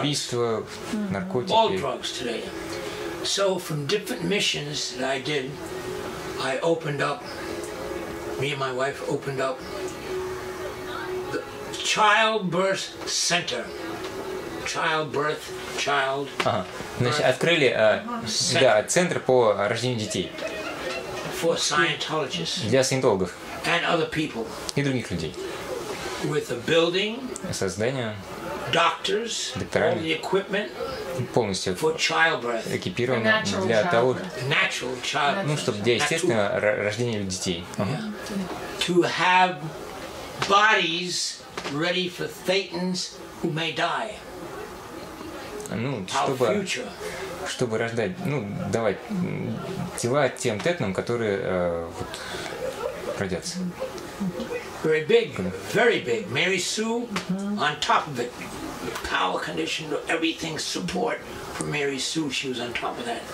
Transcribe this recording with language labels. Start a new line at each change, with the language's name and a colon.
Russian: Убийства, наркотики.
English: All drugs today. So from different missions that I did. I opened up, me and my wife opened up the childbirth center. Childbirth, child. Ага.
Russian: Значит, открыли да, центр по рождению детей.
English: For Scientologists.
Russian: Для саентологов.
English: And other people.
Russian: И других людей.
English: With a building.
Russian: Со зданием.
English: Doctors.
Russian: Докторами.
English: All the equipment.
Russian: Полностью
English: for childbirth.
Russian: Экипирован
English: natural
Russian: для
English: childbirth.
Russian: Того,
English: natural childbirth.
Russian: Ну, чтобы для естественного рождения детей.
English: Yeah. To have bodies ready for thetans who may die.
Russian: Ну, чтобы,
English: our future.
Russian: Чтобы рождать, ну, давать тела тем тетнам, которые вот, родятся.
English: Very big, very big. Mary Sue on top of it. power conditioned everything support for Mary Sue. She was on top of that.